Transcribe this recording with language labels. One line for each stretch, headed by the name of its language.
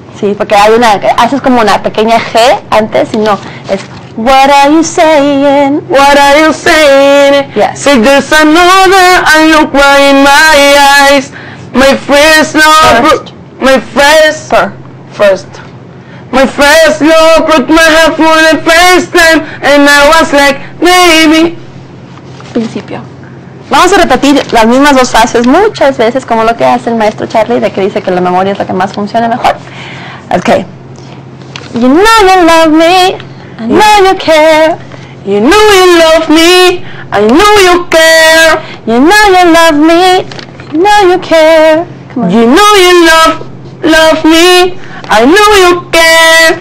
Spanish: Sí, porque hay una, haces como una pequeña G antes y no.
English: Es what are you saying? What are you saying? Yes. Say there's another and look right in my eyes. My first love. First. First. My first love broke my heart for the first time. And I was like, baby.
Spanish: Principio. Vamos a repetir las mismas dos frases muchas veces, como lo que hace el maestro Charlie, de que dice que la memoria es la que más funciona mejor.
English: Okay. You know you love me, I know you care. You know you love me, I know you care. You know you love me, I know you care. Come on. You know you love me, I know you care.